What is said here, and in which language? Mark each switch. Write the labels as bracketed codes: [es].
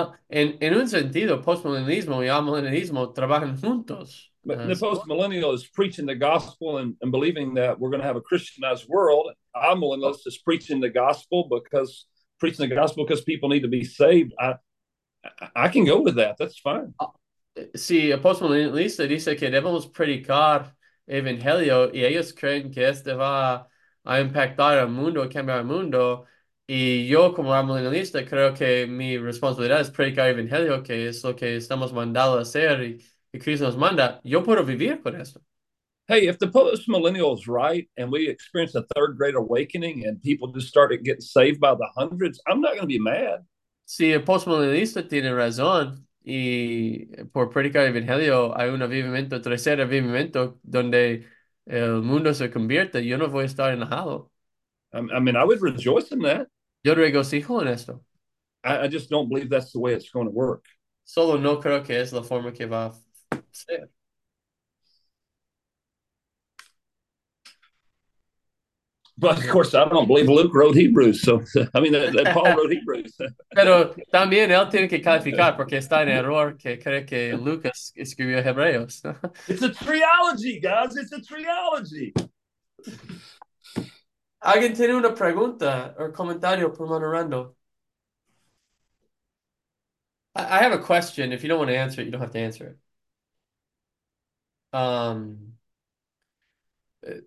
[es] En un sentido, postmillennialismo y amillennialismo trabajan juntos. [en] But the post-millennial is preaching the gospel and believing that we're going to have a Christianized world. Amillennialist is preaching the gospel because people need to be saved. I can go with that. That's fine. [es] Sí, el postmillennialista dice que debemos predicar evangelio y ellos creen que este va a impactar al mundo, a cambiar el mundo. Y yo, como evangelista, creo que mi responsabilidad es predicar el evangelio, que es lo que estamos mandados a hacer y Cristo nos manda. Yo puedo vivir con eso. [en] Hey, if the post millennial is right and we experience a third great awakening and people just started getting saved by the hundreds, I'm not going to be mad. [es] Si el postmodernista tiene razón y por predicar el evangelio hay un avivamiento, tercer avivamiento, donde el mundo se convierte, yo no voy a estar enojado. [en] I mean, I would rejoice in that. [es] Yo regocijo en esto. [en] I just don't believe that's the way it's going to work. [es] Solo no creo que es la forma que va a ser. [en] But of course, I don't believe Luke wrote Hebrews. So, I mean, [es] Pero también él tiene que [en] that [es] calificar porque está en error que cree que Lucas escribió Hebreos. [en] It's a trilogy, guys. It's a trilogy. [es] ¿Alguien tiene una pregunta o comentario por mano Randall? [en] I have a question. If you don't want to answer it, you don't have to answer it.